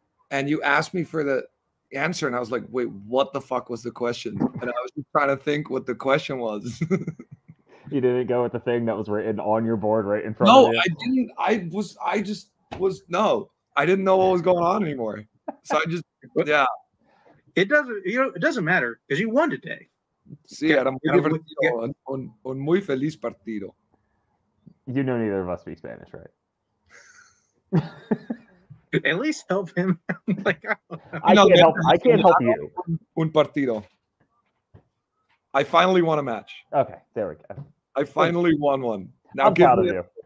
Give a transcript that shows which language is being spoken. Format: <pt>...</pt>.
<en>And you asked me for the answer, and I was like, "Wait, what the fuck was the question?" And I was just trying to think what the question was. You didn't go with the thing that was written on your board right in front. No, of No, I didn't. I didn't know what was going on anymore. So I just. Yeah, it doesn't matter because you won today.</en> <es>Sí, era muy divertido, un muy feliz partido.</es> <en>You know neither of us speak Spanish, right? At least help him. I can't help you.</en> <es>Un partido.</es> <en>I finally won a match. Okay, there we go. I finally won one. Now I'm proud of you.</en>